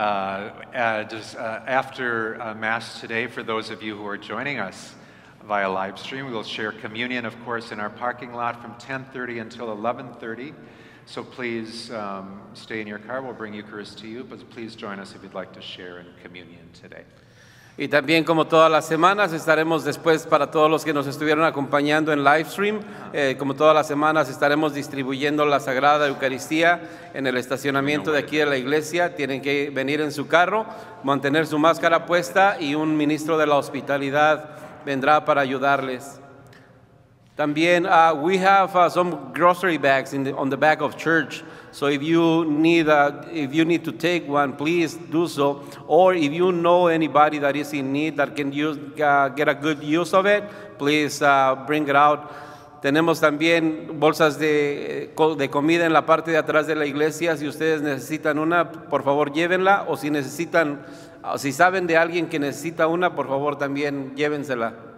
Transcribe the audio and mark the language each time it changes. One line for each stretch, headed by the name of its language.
English: After Mass today, for those of you who are joining us via live stream, we will share communion, of course, in our parking lot from 10:30 until 11:30. So please stay in your car. We'll bring Eucharist to you, but please join us if you'd like to share in communion today.
Spanish: Y también, como todas las semanas, estaremos después, para todos los que nos estuvieron acompañando en live stream, como todas las semanas, estaremos distribuyendo la Sagrada Eucaristía en el estacionamiento de aquí de la iglesia. Tienen que venir en su carro, mantener su máscara puesta y un ministro de la hospitalidad vendrá para ayudarles. También,
English: we have some grocery bags on the back of church. So if you need to take one, please do so. Or if you know anybody that is in need that can get a good use of it, please bring it out.
Spanish: Tenemos también bolsas de comida en la parte de atrás de la iglesia. Si ustedes necesitan una, por favor llévenla. O si saben de alguien que necesita una, por favor también llévensela.